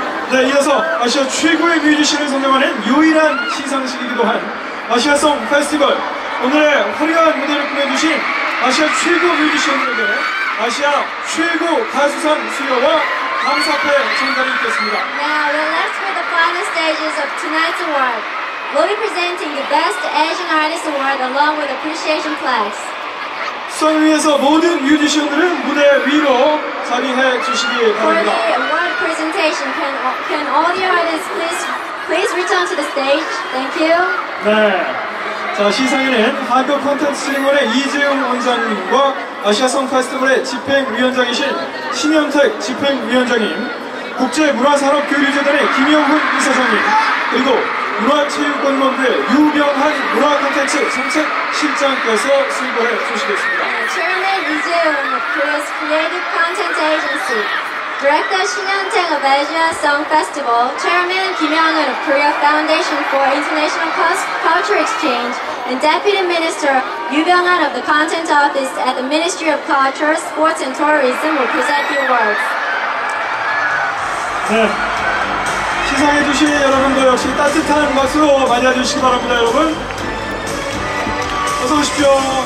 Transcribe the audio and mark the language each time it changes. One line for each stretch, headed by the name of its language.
Korean: 네, 이어서 아시아 최고의 뮤지션을 선정하는 유일한 시상식이기도 한 아시아송 페스티벌, 오늘의 화려한 무대를 꾸며주신 아시아 최고 뮤지션들에게 아시아 최고 가수상 수여와 감사패 전달이 있겠습니다.
English: Now we're left with the final stages of tonight's award. We'll be presenting the Best Asian Artist Award along with appreciation plaques.
Korean: 수상 위에서 모든 뮤지션들은 무대 위로 자리해 주시기 바랍니다.
English: For the award presentation, can all the artists please return to the stage? Thank you.
Korean: 네. 자, 시상에는 한국 콘텐츠 진흥원의 이재용 원장님과 아시아송 페스티벌의 집행위원장이신 신현택 집행위원장님, 국제문화산업교류재단의 김영훈 이사장님, 그리고 문화체육관광부의 유병한 문화콘텐츠 정책 실장께서 수고해 주시겠습니다. 네, 최근에
English: 이재용 of Korea's Creative Content Agency, Director 신현택 of Asia Song Festival, Chairman 김영은 of Korea Foundation for International Culture Exchange, and Deputy Minister Yu Byung-han of the Content Office at the Ministry of Culture, Sports and Tourism will present the awards.
Korean: 네, 시상해주신 여러분도 역시 따뜻한 박수로 맞이해주시기 바랍니다, 여러분. 어서 오십시오.